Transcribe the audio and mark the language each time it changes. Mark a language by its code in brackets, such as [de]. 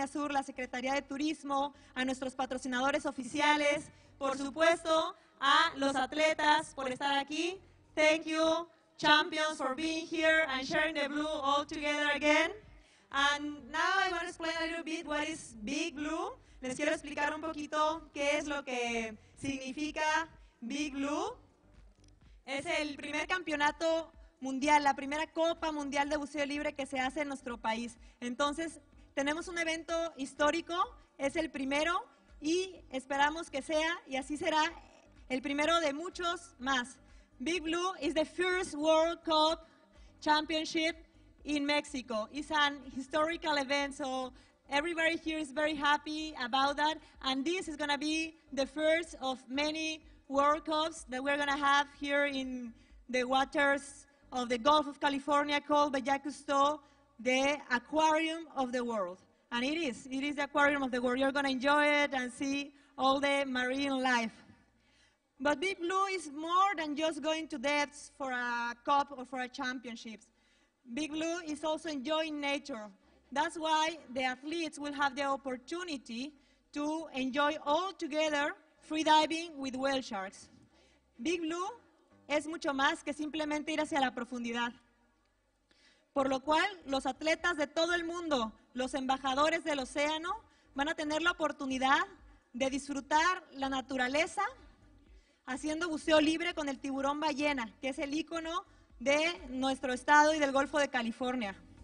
[es] La Secretaría de Turismo, a nuestros patrocinadores oficiales, por supuesto, a los atletas por estar aquí. [en] Thank you, champions, for being here and sharing the blue all together again. And now I want to explain a little bit what is Big Blue. [es] Les quiero explicar un poquito qué es lo que significa Big Blue. Es el primer campeonato mundial, la primera Copa Mundial de Buceo Libre que se hace en nuestro país. Entonces, tenemos un evento histórico, es el primero y esperamos que sea, y así será, el primero de muchos más. [en] Big Blue is the first World Cup Championship in Mexico. It's an historical event, so everybody here is very happy about that. And this is going to be the first of many World Cups that we're going to have here in the waters of the Gulf of California called Bahía Cousteau. The aquarium of the world, and it is the aquarium of the world. You're going to enjoy it and see all the marine life. But Big Blue is more than just going to depths for a cup or for a championship. Big Blue is also enjoying nature. That's why the athletes will have the opportunity to enjoy all together free diving with whale sharks. [es] Big Blue es mucho más que simplemente ir hacia la profundidad. Por lo cual, los atletas de todo el mundo, los embajadores del océano, van a tener la oportunidad de disfrutar la naturaleza haciendo buceo libre con el tiburón ballena, que es el ícono de nuestro estado y del Golfo de California.